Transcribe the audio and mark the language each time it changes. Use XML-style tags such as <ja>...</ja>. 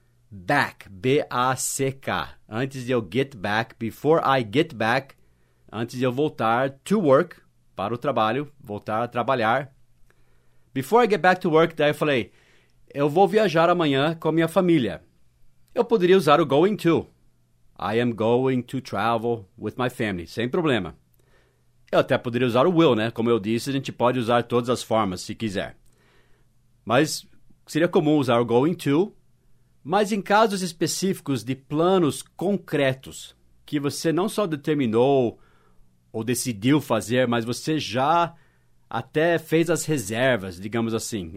<en>back, B-A-C-K.</en> <pt>Antes de eu</pt> <en>get back, before I get back,</en> <pt>antes de eu voltar</pt> <en>to work,</en> <pt>para o trabalho, voltar a trabalhar.</pt> <en>Before I get back to work,</en> <pt>daí eu falei, eu vou viajar amanhã com a minha família. Eu poderia usar o going to.</pt> <en>I am going to travel with my family,</en> <pt>sem problema. Eu até poderia usar o will, né? Como eu disse, a gente pode usar todas as formas, se quiser. Mas seria comum usar o going to. Mas em casos específicos de planos concretos, que você não só determinou ou decidiu fazer, mas você já até fez as reservas, digamos assim.</pt>